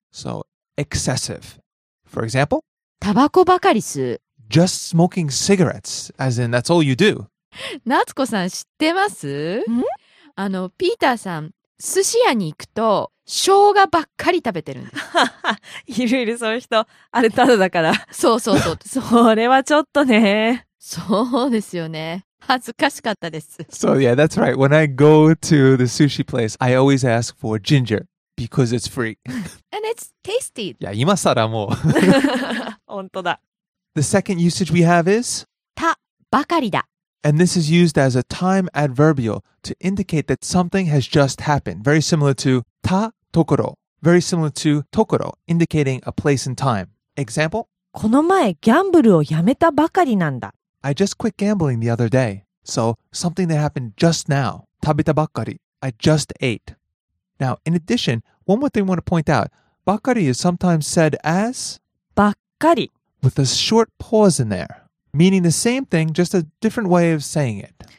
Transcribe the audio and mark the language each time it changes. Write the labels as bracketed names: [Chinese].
[English] So, excessive. For example, [Japanese] タバコばかり吸う。 [English] Just smoking cigarettes, as in that's all you do. [Japanese] 夏子さん知ってます？ん？あの、ピーターさん、寿司屋に行くと生姜ばっかり食べてるんです。いるいるそういう人。あれただだから。そうそうそう。それはちょっとね。そうですよね。恥ずかしかったです。 [English] So yeah, that's right. When I go to the sushi place, I always ask for ginger because it's free. And it's tasty. [Japanese] いや、今さらもう。本当だ。 [English] The second usage we have is [Japanese] たばかりだ。 [English] And this is used as a time adverbial to indicate that something has just happened. Very similar to たところ。 Very similar to ところ, indicating a place and time. Example? [Japanese] この前ギャンブルをやめたばかりなんだ。 [English] I just quit gambling the other day. So, something that happened just now. [Japanese] 食べたばっかり. [English] I just ate. Now, in addition, one more thing I want to point out. ばっかり is sometimes said as [Japanese] ばっかり. [English] With a short pause in there. Meaning the same thing, just a different way of saying it.